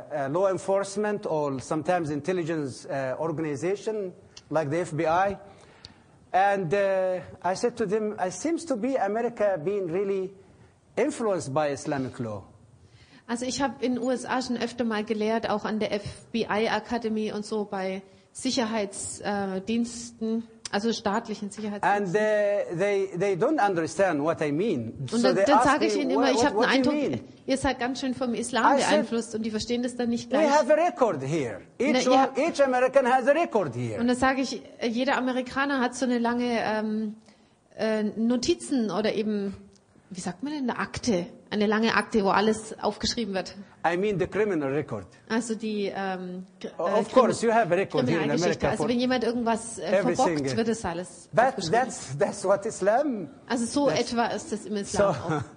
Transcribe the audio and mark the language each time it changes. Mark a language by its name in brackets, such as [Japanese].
[English] Law enforcement or sometimes intelligence organization like the FBI. And I said to them, it seems to be America being really influenced by Islamic law. [German] Also ich habe in USA schon öfter mal gelehrt, auch an der FBI-Akademie und so bei Sicherheitsdiensten, also staatlichen Sicherheitsdiensten. [English] And they don't understand what I mean. [German] Und dann sage ich ihnen immer, ich habe den Eindruck, ihr seid ganz schön vom Islam beeinflusst und die verstehen das dann nicht gleich. [English] We have a record here. Each American has a record here. [German] Und dann sage ich, jeder Amerikaner hat so eine lange Notizen oder eben, wie sagt man denn, eine Akte. Eine lange Akte, wo alles aufgeschrieben wird. [English] I mean the criminal record. [German] Also die [English] of course you have a record here in America. [German] Also wenn jemand irgendwas verbockt, wird es alles aufgeschrieben. [English] But that's what Islam. [German] Also so etwa ist das im Islam auch.